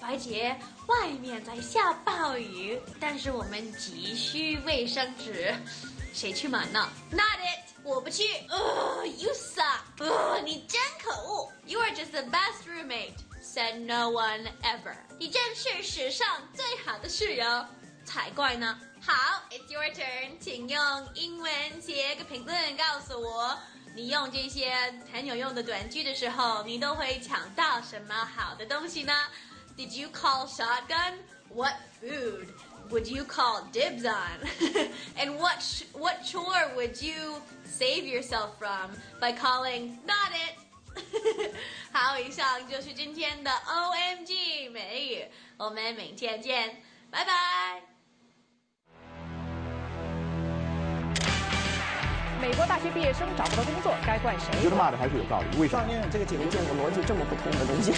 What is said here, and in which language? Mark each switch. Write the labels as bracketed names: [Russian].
[Chinese] 白洁，外面在下暴雨，但是我们急需卫生纸，谁去买呢？ [English] Not it! [Chinese] 我不去。 [English] You suck! [Chinese] 你真可恶。 [English] You are just the best roommate, said no one ever. [Chinese] 你真是史上最好的室友，才怪呢。好， [English] it's your turn. [Chinese] 请用英文写个评论告诉我。你用这些很有用的短句的时候，你都会抢到什么好的东西呢？ [English] Did you call shotgun? What food would you call dibs on? And what chore would you save yourself from by calling not it? [Chinese] 好，以上就是今天的 OMG 美语，我们明天见，拜拜。美国大学毕业生找不到工作，该怪谁？我觉得骂的还是有道理。为什么？上面这个解读见什么逻辑这么不通的东西？